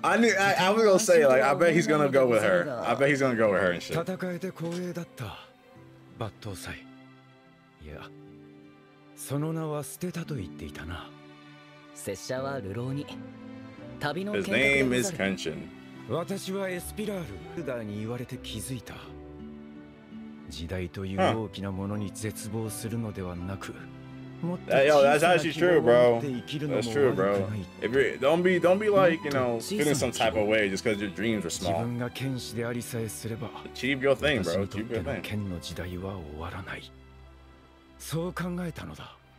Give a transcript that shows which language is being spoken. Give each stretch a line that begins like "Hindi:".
English: I was gonna say, I bet he's gonna go with her and shit
Japanese: 戦えて光栄だった バットウサイ いや、その名は捨てたと言っていたな拙者はルローニ
English: His name is Kenshin.
Japanese: 私はエスピラールに言われて気づいた。時代という大きなものに絶望するのではなく
English: Yo, that's actually true, bro. That's true, bro. Don't be like, you know, feeling some type of way just because your dreams are small. Achieve your thing, bro. Achieve your thing.
Japanese: 私にとっての剣の時代は終わらない。そう考えたのだ。